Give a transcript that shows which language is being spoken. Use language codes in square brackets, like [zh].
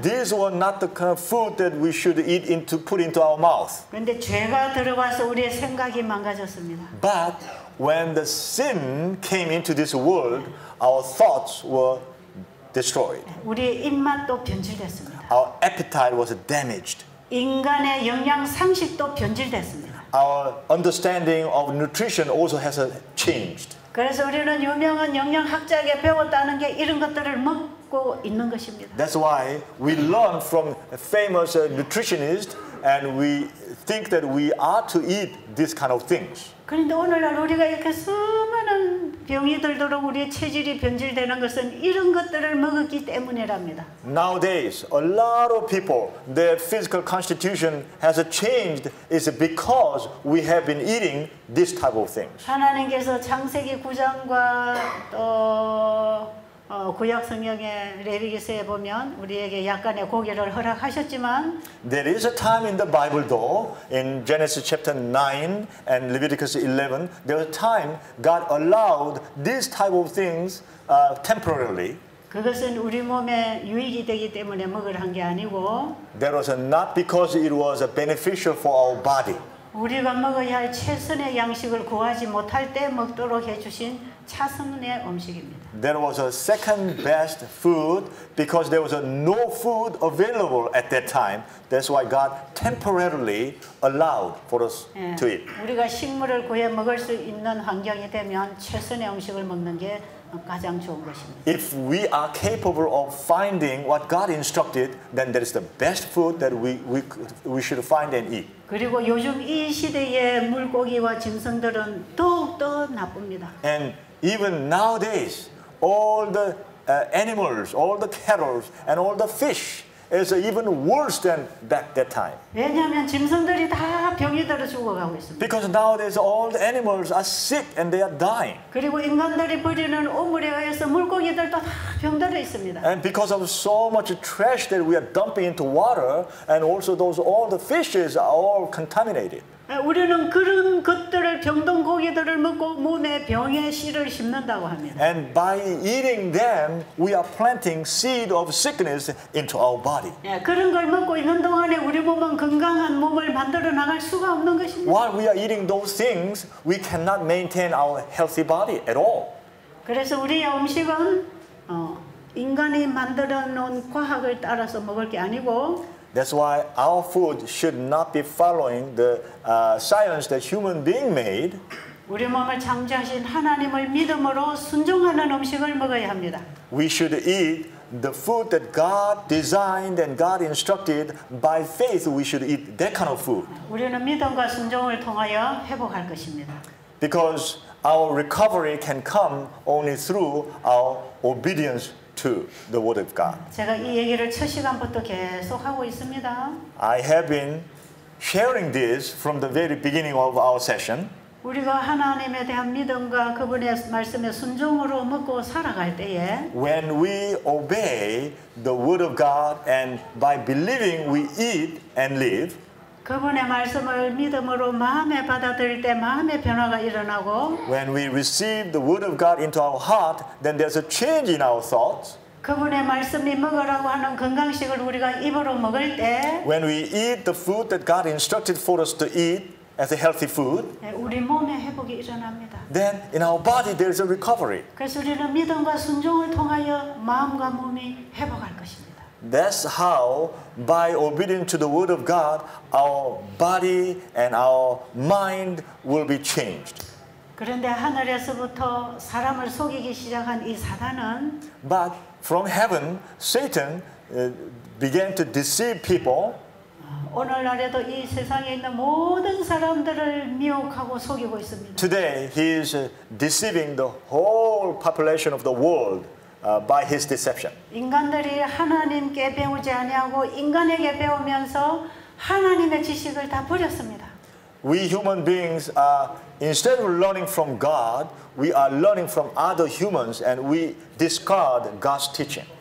[en] These were not the kind of food that we should eat into put into our mouth. [ko] 그런데 죄가 들어와서 우리의 생각이 망가졌습니다. [en] But when the sin came into this world, our thoughts were destroyed. [ko] 우리 입맛도 변질됐습니다. [en] Our appetite was damaged. [ko] 인간의 영양 상식도 변질됐습니다. [en] Our understanding of nutrition also has changed. [ko] 그래서 우리는 유명한 영양학자에게 배웠다는 게 이런 것들을 먹고 있는 것입니다. [en] That's why we learn from a famous nutritionist and we think that we are to eat these kind of things. [ko] 그런데 오늘날 우리가 이렇게 수많은 병이 들도록 우리의 체질이 변질되는 것은 이런 것들을 먹었기 때문이랍니다. [en] Nowadays, a lot of people, their physical constitution has changed is because we have been eating this type of things. [ko] 하나님께서 창세기 9장과 또 구약 성경의 레위기서에 보면 우리에게 약간의 고기를 허락하셨지만 [en] There is a time in the Bible though in Genesis chapter 9 and Leviticus 11 there was a time God allowed these type of things temporarily [ko] 그것은 우리 몸에 유익이 되기 때문에 먹을 한 게 아니고 [en] That was not because it was beneficial for our body [ko] 우리가 먹어야 할 최선의 양식을 구하지 못할 때 먹도록 해 주신 차선의 음식입니다. [en] There was a second best food because there was no food available at that time. That's why God temporarily allowed for us to eat. [ko] 우리가 식물을 구해 먹을 수 있는 환경이 되면 최선의 음식을 먹는 게 가장 좋은 것입니다. [en] If we are capable of finding what God instructed, then that is the best food that we should find and eat. [ko] 그리고 요즘 이 시대에 물고기와 짐승들은 더욱더 나쁩니다. [en] And even nowadays, all the animals, all the cattle, and all the fish is even worse than back that time. [ko] 왜냐하면 짐승들이 다 병이 들어 죽어가고 있습니다. [en] Because nowadays all the animals are sick and they are dying. [ko] 그리고 인간들이 버리는 오물에 의해서 물고기들도 다 병들어 있습니다. [en] And because of so much trash that we are dumping into water, and also those all the fishes are all contaminated. [ko] 우리는 그런 것들을 병든 고기들을 먹고 몸에 병의 씨를 심는다고 합니다. [en] And by eating them, we are planting seed of sickness into our body. [ko] 그런 걸 먹고 있는 동안에 우리 몸은 건강한 몸을 만들어 나갈 수가 없는 것입니다. [en] While we are eating those things, we cannot maintain our healthy body at all. [ko] 그래서 우리의 음식은 인간이 만들어 놓은 과학을 따라서 먹을 게 아니고 [en] That's why our food should not be following the science that human being made. [ko] 우리 몸을 창조하신 하나님을 믿음으로 순종하는 음식을 먹어야 합니다. [en] We should eat the food that God designed and God instructed. By faith, we should eat that kind of food. [ko] 우리는 믿음과 순종을 통하여 회복할 것입니다. [en] Because our recovery can come only through our obedience. To the word of God. [ko] 제가 이 얘기를 첫 시간부터 계속 하고 있습니다. [en] I have been sharing this from the very beginning of our session. [ko] 우리가 하나님에 대한 믿음과 그분의 말씀에 순종으로 먹고 살아갈 때에 [en] When we obey the word of God and by believing we eat and live [ko] 그분의 말씀을 믿음으로 마음에 받아들일 때 마음의 변화가 일어나고 [en] When we receive the word of God into our heart, then there's a change in our thoughts. [ko] 그분의 말씀이 먹으라고 하는 건강식을 우리가 입으로 먹을 때 [en] When we eat the food that God instructed for us to eat as a healthy food, [ko] 우리 몸에 회복이 일어납니다. [en] Then in our body there's a recovery. [ko] 그래서 우리는 믿음과 순종을 통하여 마음과 몸이 회복할 것입니다. [en] That's how, by obedience to the word of God, our body and our mind will be changed. [ko] 그런데 하늘에서부터 사람을 속이기 시작한 이 사단은 [en] But from heaven, Satan began to deceive people. [ko] 오늘날에도 이 세상에 있는 모든 사람들을 미혹하고 속이고 있습니다. [en] Today, he is deceiving the whole population of the world. By his deception. [ko] 인간들이 하나님께 배우지 아니하고 인간에게 배우면서 하나님의 지식을 다 버렸습니다. [en] We human beings are instead of learning from God, we are learning from other humans and we discard God's teaching.